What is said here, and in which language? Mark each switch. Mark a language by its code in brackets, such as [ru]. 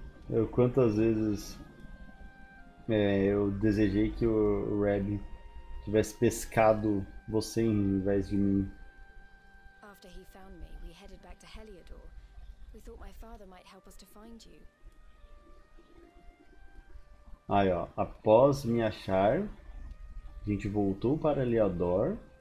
[pt] Eu quantas vezes eu desejei que o Reb tivesse pescado você em vez de mim. [en] After he found me, we headed back to Heliodor. We thought my father might help us to find you. [pt] Aí, ó, após me achar, a gente voltou para Heliodor.